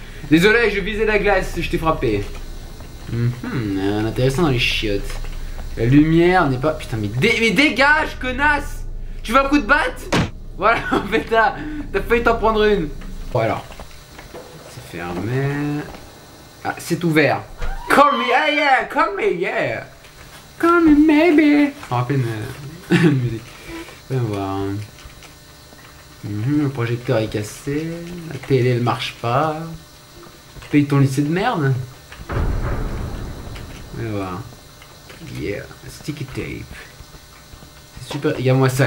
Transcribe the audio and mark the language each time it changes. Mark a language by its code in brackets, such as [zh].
[fr] Désolé, je visais la glace, je t'ai frappé. Intéressant dans les chiottes. La lumière n'est pas. Putain, mais dégage, connasse. Tu veux un coup de batte? Voilà, en fait, t'as failli t'en prendre une. Bon, alors. Fermé. Ah, c'est ouvert. [en] Call me, yeah, yeah, call me, yeah. Call me, maybe. [fr] On rappelle une musique. Viens voir. Le projecteur est cassé. La télé ne marche pas. Tu payes ton lycée de merde. Viens voir. [en] Yeah, sticky tape. [fr] C'est super. Regarde-moi ça.